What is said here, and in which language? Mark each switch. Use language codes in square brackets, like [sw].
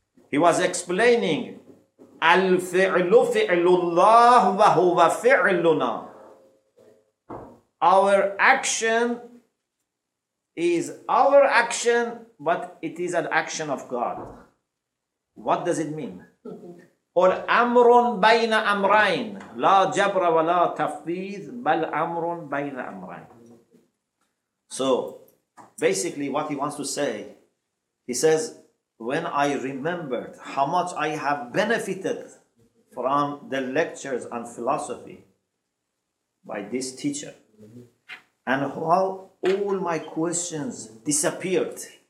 [en] He was explaining [ar] الفعل فعل الله وهو فعلنا. [en] Our action is our action, but it is an action of God. What does it mean? [ar] Or أمر بين أمرين لا جبر ولا تفويض بل أمر بين أمرين. [en] So basically what he wants to say, he says, when I remembered how much I have benefited from the lectures on philosophy by this teacher, and how all my questions disappeared,